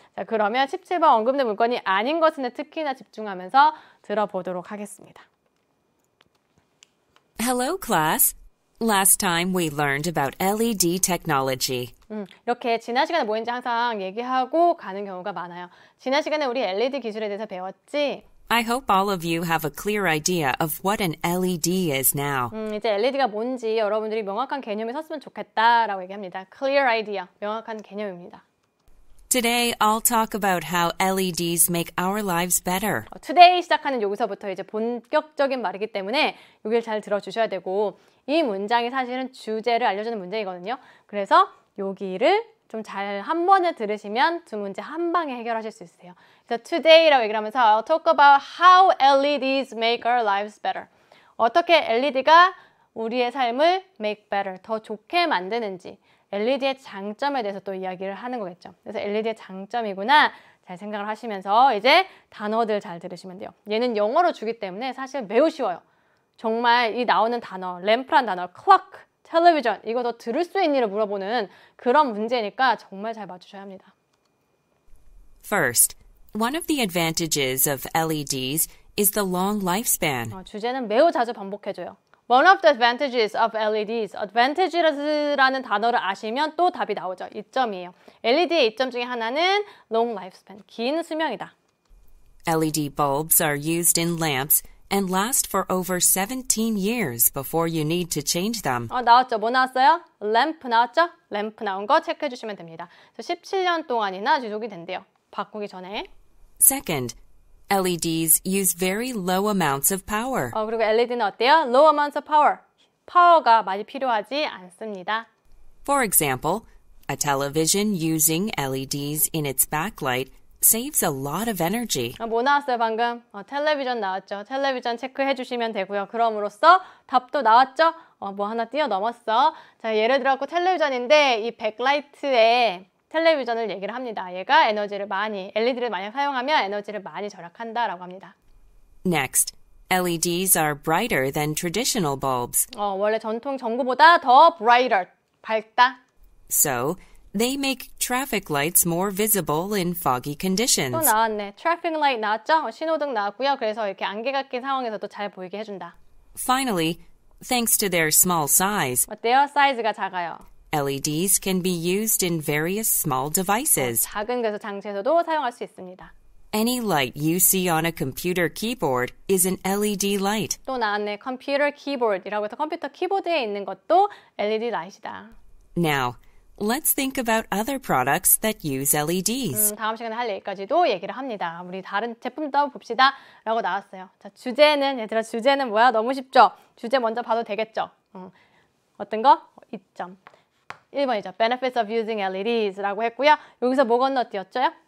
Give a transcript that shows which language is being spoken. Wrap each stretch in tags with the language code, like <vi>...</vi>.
<ko>자 그러면 17번 언급된 물건이 아닌 것은 특히나 집중하면서 들어보도록 하겠습니다.</ko> <en>Hello, class. Last time we learned about LED technology.</en> <ko>이렇게 지난 시간에 뭐인지 항상 얘기하고 가는 경우가 많아요. 지난 시간에 우리 LED 기술에 대해서 배웠지?</ko> <en>I hope all of you have a clear idea of what an LED is now.</en> <ko>이제 LED가 뭔지 여러분들이 명확한 개념이 섰으면 좋겠다라고 얘기합니다.</ko> <en>Clear idea,</en> <ko>명확한 개념입니다.</ko> <en>Today, I'll talk about how LEDs make our lives better.</en> <ko>Today 시작하는 여기서부터 이제 본격적인 말이기 때문에 여기를 잘 들어주셔야 되고 이 문장이 사실은 주제를 알려주는 문장이거든요. 그래서 여기를 좀 잘 한 번에 들으시면 두 문제 한 방에 해결하실 수 있어요. 그래서 today라고 얘기를 하면서</ko> <en>I'll talk about how LEDs make our lives better.</en> <ko>어떻게 LED가 우리의 삶을 make better, 더 좋게 만드는지 LED의 장점에 대해서 또 이야기를 하는 거겠죠. 그래서 LED의 장점이구나 잘 생각을 하시면서 이제 단어들 잘 들으시면 돼요. 얘는 영어로 주기 때문에 사실 매우 쉬워요. 정말 이 나오는 단어, 램프란 단어, 클럭, 텔레비전, 이거 더 들을 수 있니를 물어보는 그런 문제니까 정말 잘 맞추셔야 합니다.</ko> <en>First, one of the advantages of LEDs is the long lifespan.</en> <ko>주제는 매우 자주 반복해줘요.</ko> <en>One of the advantages of LEDs,</en> <ko>advantages라는 단어를 아시면 또 답이 나오죠. 이점이에요. LED의 이점 중에 하나는 long lifespan, 긴 수명이다.</ko> <en>LED bulbs are used in lamps and last for over 17 years before you need to change them.</en> <ko>나왔죠? 뭐 나왔어요? 램프 나왔죠? 램프 나온 거 체크해 주시면 됩니다. 17년 동안이나 지속이 된대요. 바꾸기 전에.</ko> <en>Second, LEDs use very low amounts of power.</en> <ko>그리고 LED는 어때요?</ko> <en>Low amounts of power.</en> <ko>파워가 많이 필요하지 않습니다.</ko> <en>For example, a television using LEDs in its backlight saves a lot of energy.</en> <ko>뭐 나왔어요 방금? 텔레비전 나왔죠. 텔레비전 체크해 주시면 되고요. 그럼으로써 답도 나왔죠? 뭐 하나 뛰어넘었어. 자, 예를 들어서 텔레비전인데 이 백라이트에 텔레비전을 얘기를 합니다. 얘가 에너지를 많이, LED를 많이 사용하면 에너지를 많이 절약한다라고 합니다.</ko> <en>Next, LEDs are brighter than traditional bulbs.</en> <ko>원래 전통 전구보다 더 brighter, 밝다.</ko> <en>So, they make traffic lights more visible in foggy conditions.</en> <ko>또 나왔네. Traffic light 나왔죠? 신호등 나왔고요. 그래서 이렇게 안개가 낀 상황에서도 잘 보이게 해준다.</ko> <en>Finally, thanks to their small size.</en> <ko>어때요? 사이즈가 작아요.</ko> <en>LEDs can be used in various small devices.</en> <ko>작은 그래서 장치에서도 사용할 수 있습니다.</ko> <en>Any light you see on a computer keyboard is an LED light.</en> <ko>또 나왔네. Computer keyboard이라고 해서 컴퓨터 키보드에 있는 것도 LED 라이트다.</ko> <en>Now, let's think about other products that use LEDs.</en> <ko>다음 시간에 할 얘기까지도 얘기를 합니다. 우리 다른 제품도 한번 봅시다. 라고 나왔어요. 자, 주제는 얘들아 주제는 뭐야? 너무 쉽죠? 주제 먼저 봐도 되겠죠? 어떤 거? 이점. 1번이죠.</ko> <en>Benefits of using LEDs</en> <ko>라고 했고요. 여기서 뭐 건너뛰었죠?</ko>